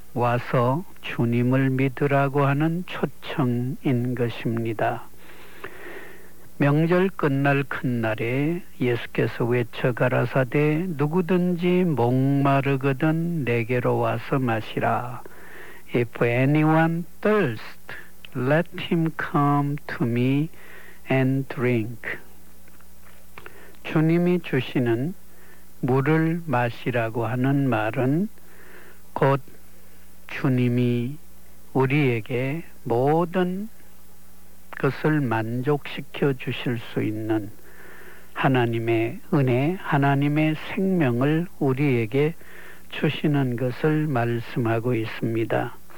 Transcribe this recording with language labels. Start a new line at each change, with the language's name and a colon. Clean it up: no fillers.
Korean: 와서 주님을 믿으라고 하는 초청인 것입니다. 명절 끝날 큰날에 예수께서 외쳐 가라사대 누구든지 목마르거든 내게로 와서 마시라.
English: If anyone thirsts, let him come to me and drink.
Korean: 주님이 주시는 물을 마시라고 하는 말은 곧 주님이 우리에게 모든 것을 만족시켜 주실 수 있는 하나님의 은혜, 하나님의 생명을 우리에게 주시는 것을 말씀하고 있습니다.